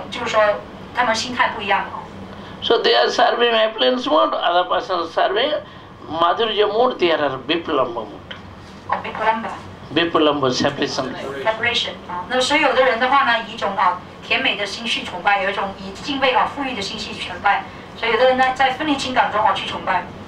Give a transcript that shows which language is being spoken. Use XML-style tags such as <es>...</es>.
<zh>所以呢，就像崇拜马哈巴布呢，也就导致了两种心绪啊，就是说他们心态不一样啊。So</zh> <en>they are serving affluence mood, other persons serving Madhurya mood, they are Vipralamba mood. Vipralamba separation.</en> <zh>Separation啊，那所有的人的话呢，以一种甜美的心绪崇拜，有一种以敬畏富裕的心绪崇拜，所以有的人呢，在分离情感中去崇拜。</zh>